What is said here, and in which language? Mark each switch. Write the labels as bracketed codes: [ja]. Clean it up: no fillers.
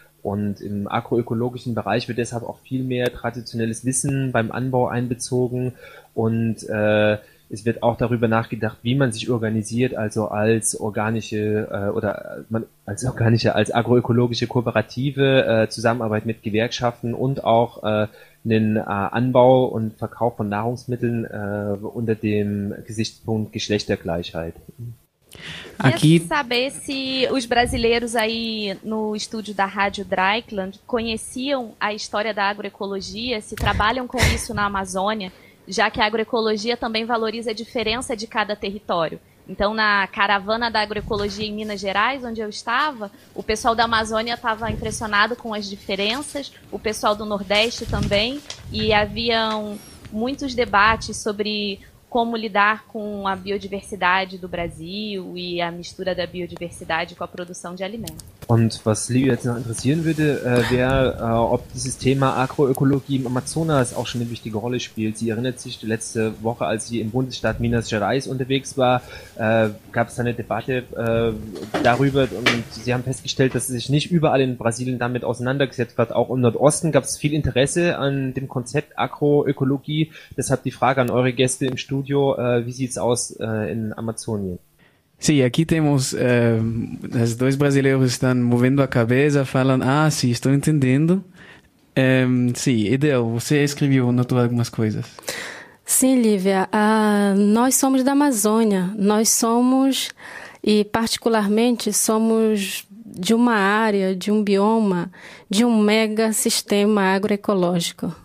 [de] Und im agroökologischen Bereich wird deshalb auch viel mehr traditionelles Wissen beim Anbau einbezogen und es wird auch darüber nachgedacht, wie man sich organisiert, also als organische als agroökologische Kooperative, Zusammenarbeit mit Gewerkschaften und auch einen Anbau und Verkauf von Nahrungsmitteln unter dem Gesichtspunkt Geschlechtergleichheit. [pt] Aqui... Queria saber se os brasileiros aí no estúdio da Rádio Dreikland conheciam a história da agroecologia, se trabalham com isso na Amazônia, já que a agroecologia também valoriza a diferença de cada território. Então, na caravana da agroecologia em Minas Gerais, onde eu estava, o pessoal da Amazônia estava impressionado com as diferenças, o pessoal do Nordeste também, e haviam muitos debates sobre como lidar com a biodiversidade do Brasil e a mistura da biodiversidade com a produção de alimentos. [de] Und was Liu jetzt noch interessieren würde, wäre, ob dieses Thema Agroökologie im Amazonas auch schon eine wichtige Rolle spielt. Sie erinnert sich, die letzte Woche, als sie im Bundesstaat Minas Gerais unterwegs war, gab es eine Debatte darüber und sie haben festgestellt, dass sie sich nicht überall in Brasilien damit auseinandergesetzt hat. Auch im Nordosten gab es viel Interesse an dem Konzept Agroökologie. Deshalb die Frage an eure Gäste im Studio, wie sieht es aus in Amazonien? [pt] Sim, aqui temos os dois brasileiros estão movendo a cabeça, falando, ah, sim, estou entendendo. Sim, Edel, você escreveu, notou algumas coisas. Sim, Lívia, nós somos da Amazônia, nós somos, e particularmente somos de uma área, de um bioma, de um mega sistema agroecológico.